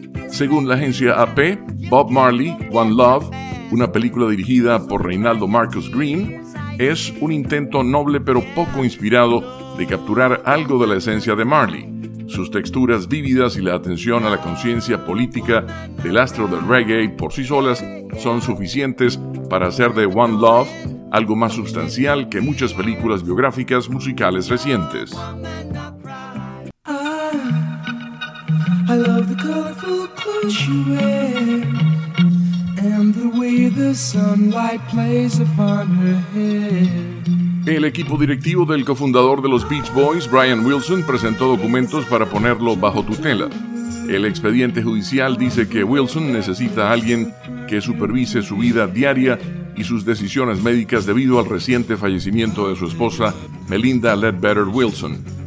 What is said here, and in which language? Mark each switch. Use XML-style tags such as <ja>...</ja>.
<es>Según la agencia AP, Bob Marley, One Love, una película dirigida por Reinaldo Marcus Green, es un intento noble pero poco inspirado de capturar algo de la esencia de Marley. Sus texturas vívidas y la atención a la conciencia política del astro del reggae por sí solas son suficientes para hacer de One Love algo más sustancial que muchas películas biográficas musicales recientes.</es> <en>I love the colorful clothes she wears and the way the sunlight plays upon her hair.</en> <es>El equipo directivo del cofundador de los Beach Boys, Brian Wilson, presentó documentos para ponerlo bajo tutela. El expediente judicial dice que Wilson necesita a alguien que supervise su vida diaria y sus decisiones médicas debido al reciente fallecimiento de su esposa, Melinda Ledbetter Wilson.</es>